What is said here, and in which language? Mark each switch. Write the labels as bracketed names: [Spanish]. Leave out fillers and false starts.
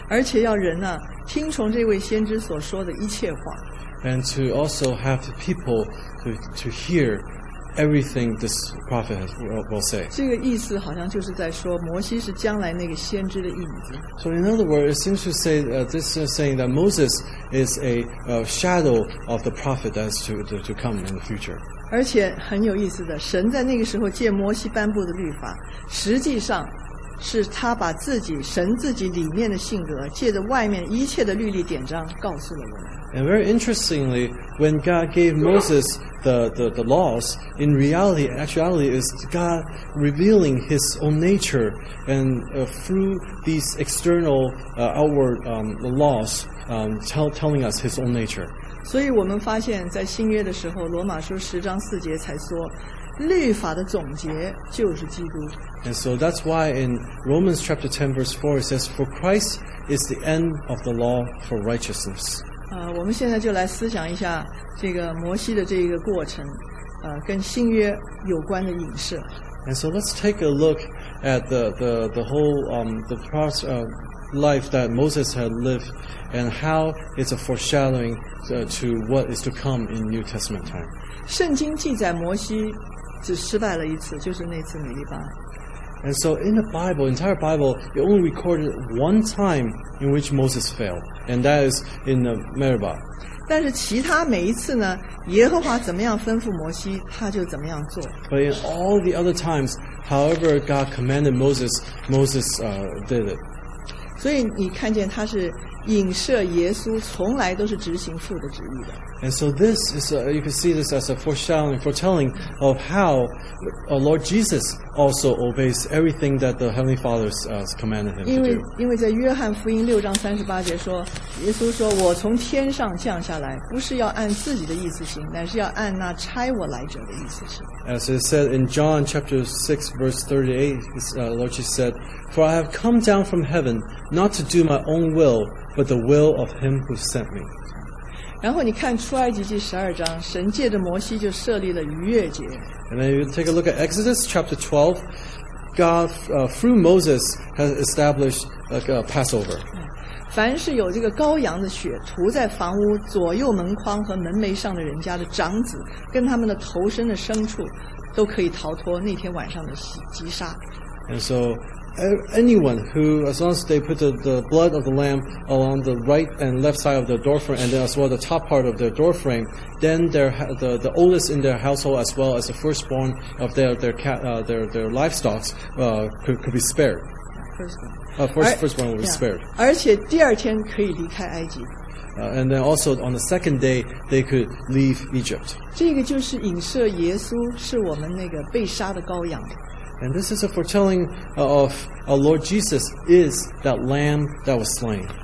[Chinese] 而且要人呢听从这位先知所说的一切话。 [English] And to also have the people to hear everything this prophet will say. [Chinese] 这个意思好像就是在说摩西是将来那个先知的影子。 [English] So in other words, it seems to say this is saying that Moses is a shadow of the prophet that's to come in the future. [Chinese] 而且很有意思的，神在那个时候借摩西颁布的律法，实际上是他把自己神自己里面的性格，借着外面一切的律例典章告诉了我们。 [English] And very interestingly, when God gave Moses the laws, in reality, actually, is God revealing His own nature and through these external outward laws, telling us His own nature. [Chinese] 所以我们发现，在新约的时候，罗马书十章四节才说，律法的总结就是基督。 [English] And so that's why in Romans chapter 10 verse 4 it says, "For Christ is the end of the law for righteousness." [Chinese] 我们现在就来思想一下这个摩西的这个过程，跟新约有关的影射。 [English] And so let's take a look at the whole the part of life that Moses had lived, and how it's a foreshadowing to what is to come in New Testament time. [Chinese] 圣经记载摩西只失败了一次，就是那次米利巴。 [English] And so in the Bible, entire Bible, it only recorded one time in which Moses failed, and that is in the Meribah. [Chinese] 但是其他每一次呢，耶和华怎么样吩咐摩西，他就怎么样做。 [English] But in all the other times, however God commanded Moses, Moses did it. [Chinese] 所以你看见他是影射耶稣从来都是执行父的旨意的。 [English] And so this is a, you can see this as a foreshadowing, foretelling of how Lord Jesus also obeys everything that the Heavenly Father has commanded him to do. [Chinese] 因为在约翰福音六章三十八节说，耶稣说，我从天上降下来，不是要按自己的意思行，乃是要按那差我来者的意思行。 [English] As it said in John chapter 6 verse 38, Lord Jesus said, For I have come down from heaven not to do my own will, but the will of him who sent me. [Chinese] 然后你看出埃及记十二章，神借着摩西就设立了逾越节。 [English] And then you take a look at Exodus chapter 12, God through Moses has established a Passover. [Chinese] 凡是有这个羔羊的血涂在房屋左右门框和门楣上的人家的长子，跟他们的头身的牲畜，都可以逃脱那天晚上的击杀。 [English] And so. Anyone who, as long as they put the blood of the lamb along the right and left side of the doorframe, and as well the top part of their doorframe, then the oldest in their household, as well as the firstborn of their livestock, could be spared. Firstborn would be spared. [Chinese] 而且第二天可以离开埃及。 [English] And then also on the second day, they could leave Egypt. [Chinese] 这个就是影射耶稣是我们那个被杀的羔羊。 [English] And this is a foretelling of our Lord Jesus is that lamb that was slain.